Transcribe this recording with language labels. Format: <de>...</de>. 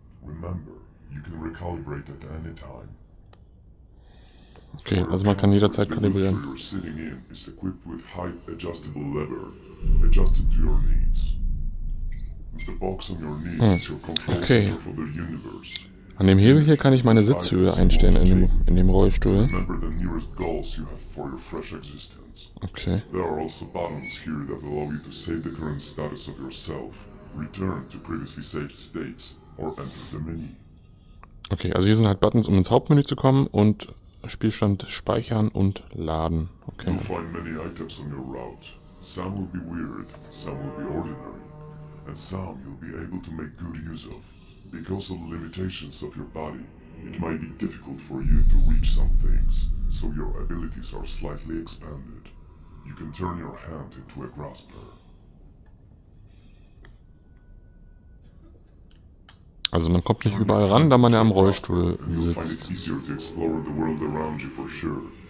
<en>Remember, you can recalibrate at any time.</en> <de>Okay, also man kann jederzeit kalibrieren.</de> <en>The wheelchair you're sitting in is equipped with height adjustable lever, adjusted to your needs. The box on your knees is your control okay. Center for the universe.</en> <de>An dem Hebel hier kann ich meine Sitzhöhe einstellen in dem Rollstuhl.</de> <en>Remember the nearest goals you have for your fresh existence. Okay. There are also buttons here that allow you to save the current status of yourself, return to previously saved states, or enter the menu.</en> <de>Okay, also hier sind halt Buttons, um ins Hauptmenü zu kommen und Spielstand speichern und laden. Okay.</de> <en>You'll find many items on your route. Some will be weird, some will be ordinary. And some you'll be able to make good use of. Because of the limitations of your body, it might be difficult for you to reach some things, so your abilities are slightly expanded. You can turn your hand into a grasper.</en> <de>Also man kommt nicht überall ran, da man ja am Rollstuhl sitzt.</de> <en>You'll find it easier to explore the world around you for sure.</en>